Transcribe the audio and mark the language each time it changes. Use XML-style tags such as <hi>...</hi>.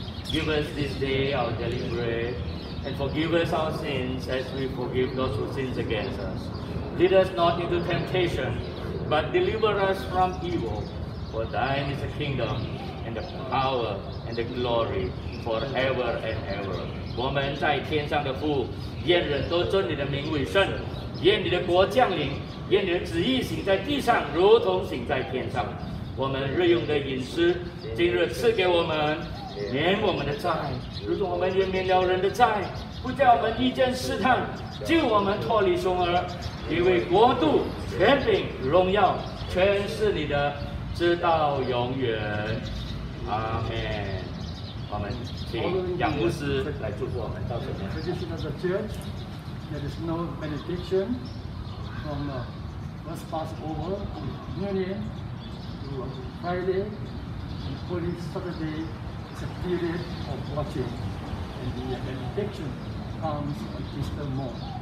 <en>Give us this day our daily bread, and forgive us our sins as we forgive those who sin against us. Lead us not into temptation, but deliver us from evil. For thine is the kingdom,and the power and the glory forever and ever.</en> <zh>我们在天上的父，愿人都尊你的名为圣，愿你的国降临，愿你的旨意行在地上如同行在天上。我们日用的饮食今日赐给我们，免我们的债，如同我们也免了人的债，不叫我们遇见试探，救我们脱离凶恶，因为国度权柄荣耀全是你的，直到永远。阿门。我们请杨牧师来祝福我们，到这边。这就是那个 church.</zh> <en>There is no benediction from the first Passover to communion to Friday and Holy Saturday. It's a period of watching, and the benediction comes on Easter morning.</en>